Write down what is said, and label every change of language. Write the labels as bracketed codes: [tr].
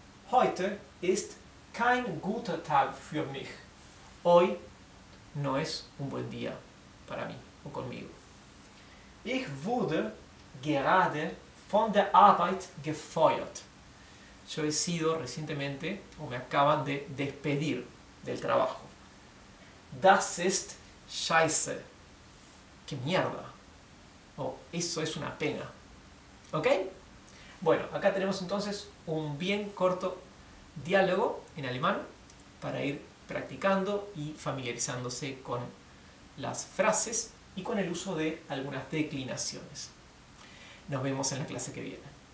[de] Heute ist kein guter Tag für mich. [es] Hoy no es un buen día para mí o conmigo. [de] Ich wurde gerade von der Arbeit gefeuert. [es] Yo he sido recientemente, o me acaban de despedir del trabajo. [de] Das ist scheiße. [es] ¡Qué mierda! Eso es una pena. ¿Ok? Bueno, acá tenemos entonces un bien corto diálogo en alemán para ir practicando y familiarizándose con las frases y con el uso de algunas declinaciones. Nos vemos en la clase que viene.